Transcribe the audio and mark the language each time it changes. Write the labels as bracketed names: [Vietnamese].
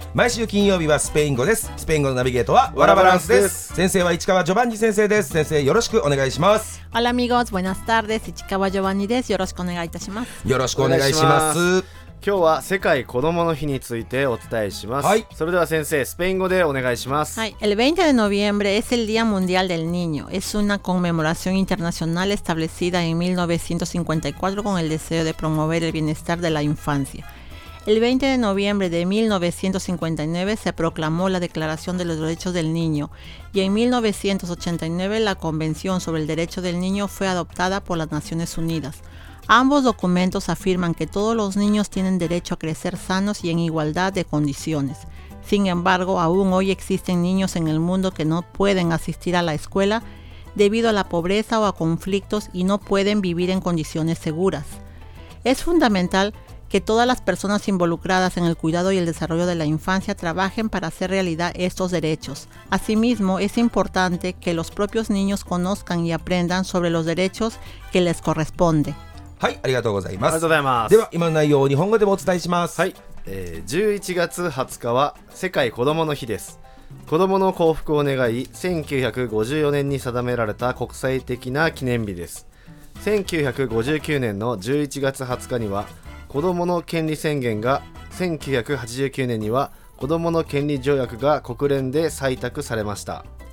[Japanese] 毎週金曜日はスペイン語です。スペイン語のナビゲートはワラバランスです。先生は市川ジョバンニ先生です。先生よろしくお願いします。 [Spanish] ハラミゴーズ、ボイナスタール [Japanese] です。市川ジョバンニです。よろしくお願いいたします。よろしくお願いします。今日は世界子どもの日についてお伝えします、はい、それでは先生スペイン語でお願いします、 [Spanish] はい、El 20 de noviembre es el Día Mundial del Niño. Es una conmemoración internacional establecida en 1954 con el deseo de promover el bienestar de la infancia. El 20 de noviembre de 1959 se proclamó la Declaración de los Derechos del Niño y en 1989 la Convención sobre el Derecho del Niño fue adoptada por las Naciones Unidas. Ambos documentos afirman que todos los niños tienen derecho a crecer sanos y en igualdad de condiciones. Sin embargo, aún hoy existen niños en el mundo que no pueden asistir a la escuela debido a la pobreza o a conflictos y no pueden vivir en condiciones seguras. Es fundamental que todas las personas involucradas en el cuidado y el desarrollo de la infancia trabajen para hacer realidad estos derechos. Asimismo, es importante que los propios niños conozcan y aprendan sobre los derechos que les corresponde. [Japanese] はい、ありがとうございます。ありがとうございます。では今の内容を日本語でもお伝えします。はい、11月20日は世界子どもの日です。子どもの幸福を願い、1954年に定められた国際的な記念日です。 1959年の11月20日には子どもの権利宣言が、1989年には子どもの権利条約が国連で採択されました。